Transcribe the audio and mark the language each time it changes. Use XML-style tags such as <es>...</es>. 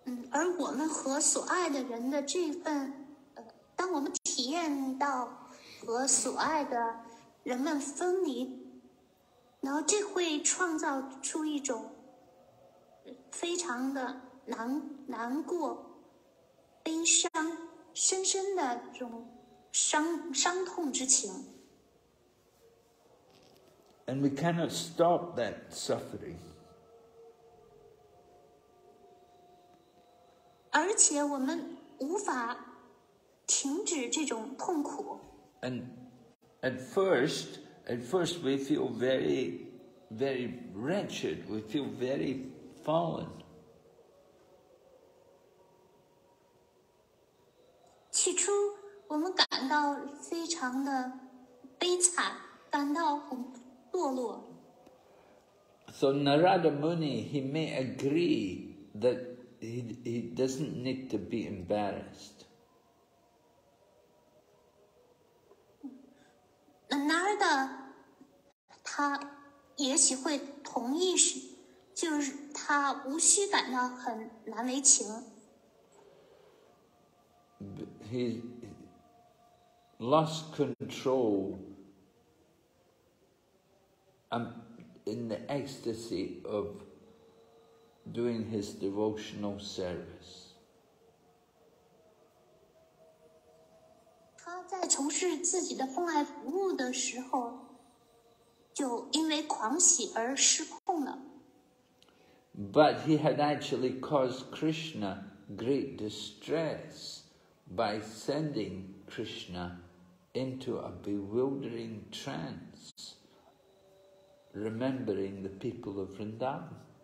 <zh>而我们和所爱的人的这份，当我们体验到和所爱的人们分离，然后这会创造出一种非常的难过、悲伤、深深的这种伤痛之情。</zh> <en>And we cannot stop that suffering.</en> <zh>而且我们无法停止这种痛苦。</zh> <en>And at first we feel very, very wretched. We feel very fallen.</en> <zh>起初我们感到非常的悲惨，感到很堕落。</zh> <en>So Narada Muni, he may agree that he doesn't need to be embarrassed.</en> <zh>Narada, 他也许会同意，就是他无需感到很难为情。</zh> <en>He lost control. I'm in the ecstasy of doing his devotional service.</en> <zh>他在从事自己的奉爱服务的时候，就因为狂喜而失控了。</zh> <en>But he had actually caused Krishna great distress by sending Krishna into a bewildering trance, remembering the people of Vrindavan.</en>